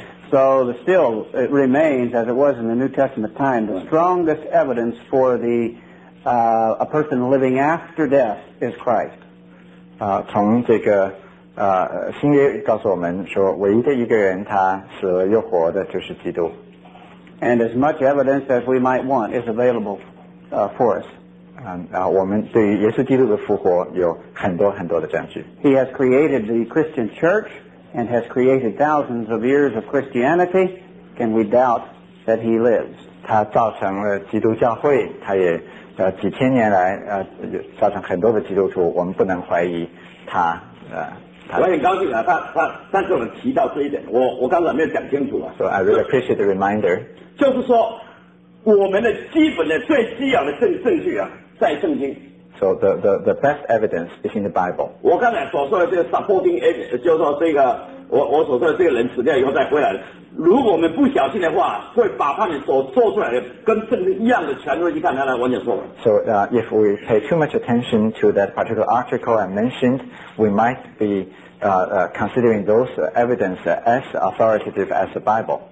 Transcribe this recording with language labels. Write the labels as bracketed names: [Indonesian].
[English] So still it remains as it was in the New Testament time, the strongest evidence for the a person living after death is Christ. [Chinese] 从这个新约告诉我们说唯一的一个人他死了又活的就是基督。 [English] And as much evidence as we might want is available for us. [Chinese] 我们对于耶稣基督的复活有很多很多的证据。 [English] He has created the Christian church and has created thousands of years of Christianity. Can we doubt that he lives? [Chinese] 他造成了基督教会，他也几千年来造成很多的基督徒，我们不能怀疑他我很高兴啊，但是我们提到这一点，我刚才没有讲清楚啊。 [English] So I really appreciate the reminder. [Chinese] 就是说，我们的基本的最基要的证据啊，在圣经。 [English] So the best evidence is in the Bible. [Chinese] 我刚才所说的这个 supporting evidence， 就是说这个我所说的这个人死掉以后再回来，如果我们不小心的话，会把他们所做出来的跟圣经一样的权威，一看他来完全错了。 [English] So if we pay too much attention to that particular article I mentioned, we might be considering those evidence as authoritative as the Bible.